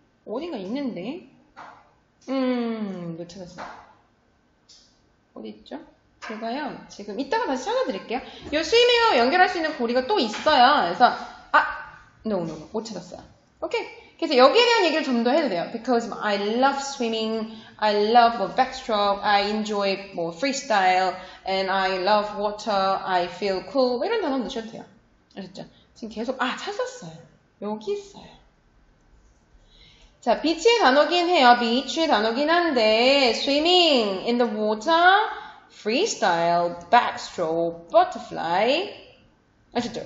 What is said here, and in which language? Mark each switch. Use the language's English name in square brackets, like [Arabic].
[Korean] 어딘가 있는데. 이거 찾았어요. 어딨죠? 제가요, 지금 이따가 다시 찾아드릴게요. 요 스위밍하고 연결할 수 있는 고리가 또 있어요. 그래서, 노. 못 찾았어요. 오케이. 그래서 여기에 대한 얘기를 좀 더 해도 돼요. [English] Because I love swimming, I love backstroke, I enjoy freestyle, and I love water, I feel cool. [Korean] 이런 단어 넣으셔도 돼요. 아셨죠? 지금 계속, 찾았어요. 여기 있어요. 자, 비치의 단어긴 해요. 비치의 단어긴 한데, [English] swimming in the water, freestyle, backstroke, butterfly. [Korean] 아셨죠?